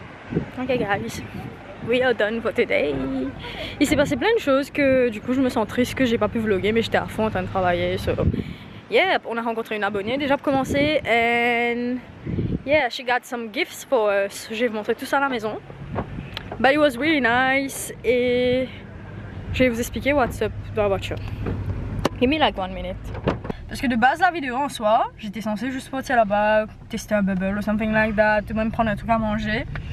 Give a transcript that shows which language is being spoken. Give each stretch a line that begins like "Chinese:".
French: Bien.
English: Ok, guys. We are done for today.
French: Il s'est passé plein de choses que du coup je me sens triste que j'ai pas pu vlogger, mais j'étais à fond en train de travailler.
English: So,
French: yeah, on a rencontré une abonnée déjà pour commencer.
English: And yeah, she got some gifts for us.
French: Je vais vous montrer tout ça à la maison.
English: But it was really nice.
French: Et je vais vous expliquer
English: what's up
French: dans la voiture.
English: Give me like 1 minute.
French: Parce que de base, la vidéo en soi, j'étais censée juste partir là-bas, tester un bubble ou
English: something like that,
French: ou même prendre un truc à manger.